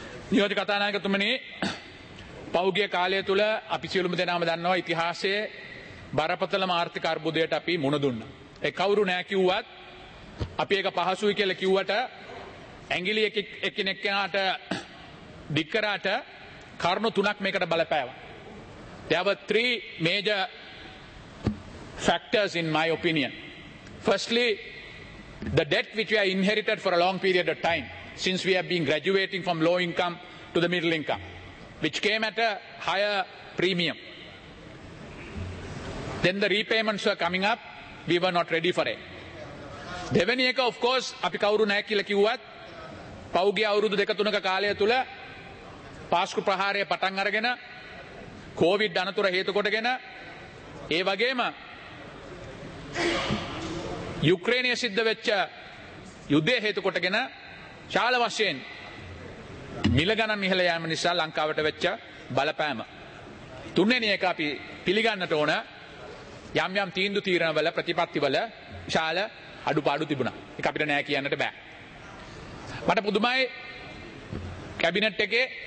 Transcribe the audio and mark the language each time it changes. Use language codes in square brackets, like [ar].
[si] නියෝජ්‍ය කතානායකතුමනි, පෞගිය කාලය තුළ අපි සියලුම දෙනාම දන්නවා ඉතිහාසයේ බරපතලම ආර්ථික අර්බුදයට අපි මුණ දුන්නා. ඒ කවුරු නෑ කිව්වත් අපි ඒක පහසුයි කියලා කිව්වට ඇඟිලි එකිනෙක කෙනාට දික් කරාට කරුණු තුනක් මේකට බලපෑවා. [en] There were three major factors in my opinion. Firstly, the debt which we have inherited for a long period of time since we have been graduating from low income to the middle income, which came at a higher premium. Then the repayments were coming up. We were not ready for it. [si] දෙවැනි එක [en] of course [si] අපි කවුරු නැහැ කියලා කිව්වත් පෞගේ අවුරුදු දෙක තුනක කාලය තුල පාස්කු ප්‍රහාරය පටන් අරගෙන කෝවිඩ් අනතුර හේතු කොටගෙන ඒ වගේම යුක්‍රේනයේ සිද්ධ වෙච්ච යුද්ධය හේතු කොටගෙන ශාල වශයෙන් මිල ගණන් ඉහළ යාම නිසා ලංකාවට වෙච්ච බලපෑම තුන්වෙනි එක අපි පිළිගන්නට ඕන යම් යම් තීන්දු තීරණවල ප්‍රතිපත්තිවල ශාල අඩුපාඩු තිබුණා ඒක අපිට නෑ කියන්නට බෑ මට පුදුමයි කැබිනට් එකේ